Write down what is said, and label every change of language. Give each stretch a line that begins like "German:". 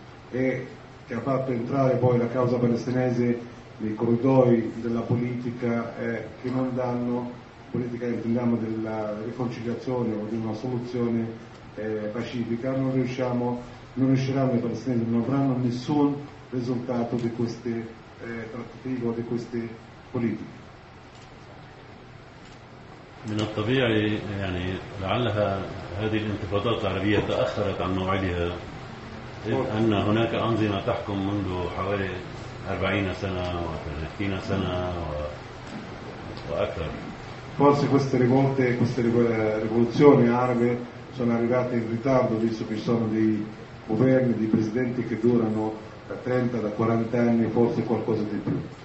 Italian: E che ha fatto entrare poi la causa palestinese nei corridoi della politica che non danno, politica intendiamo della riconciliazione o di una soluzione pacifica, non riusciranno i palestinesi, non avranno nessun risultato di queste trattative o di queste politiche.
Arabic: من الطبيعي يعني لعلها هذه الانتفاضات العربية تأخرت عن موعدها أن هناك أنظمة تحكم منذ حوالي 40 سنة و 30 سنة وأكثر.
Italian: Forse queste rivoluzioni arabe sono arrivate in ritardo, visto che ci sono dei governi, dei presidenti che durano da 30, da 40 anni, forse qualcosa di più.